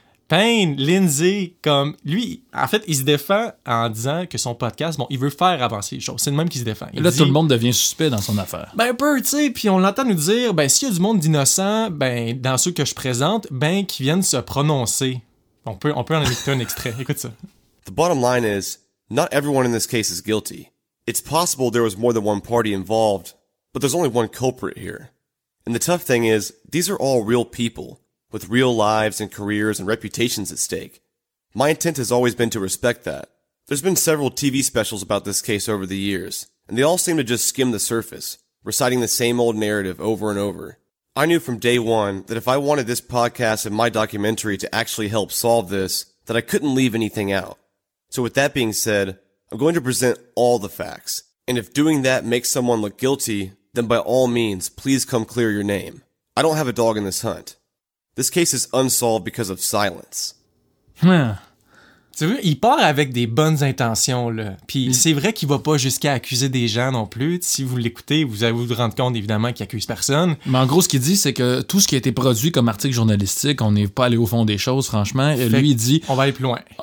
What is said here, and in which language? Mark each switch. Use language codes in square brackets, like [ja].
[fr] Payne, Lindsay, comme lui, en fait, il se défend en disant que son podcast, bon, il veut faire avancer les choses. C'est le même qui se défend. Et là, tout le monde devient suspect dans son affaire. Ben, un peu, tu sais. Puis on l'entend nous dire, ben, s'il y a du monde d'innocent, ben, dans ceux que je présente, ben, qui viennent se prononcer. On peut en écouter un extrait. Écoute ça. [en] The bottom line is, not everyone in this case is guilty. It's possible there was more than one party involved, but there's only one culprit here. And the tough thing is, these are all real people, with real lives and careers and reputations at stake. My intent has always been to respect that. There's been several TV specials about this case over the years, and they all seem to just skim the surface, reciting the same old narrative over and over. I knew from day one that if I wanted this podcast and my documentary to actually help solve this, that I couldn't leave anything out. So with that being said, I'm going to present all the facts. And if doing that makes someone look guilty, then by all means, please come clear your name. I don't have a dog in this hunt. This case is unsolved because of silence. [fr] Tu vois, il part avec des bonnes intentions, là. Puis c'est vrai qu'il va pas jusqu'à accuser des gens non plus. Si vous l'écoutez, vous allez vous rendre compte, évidemment, qu'il accuse personne. Mais en gros, ce qu'il dit, c'est que tout ce qui a été produit comme article journalistique, on n'est pas allé au fond des choses, franchement. Et lui, il dit... On va aller plus loin.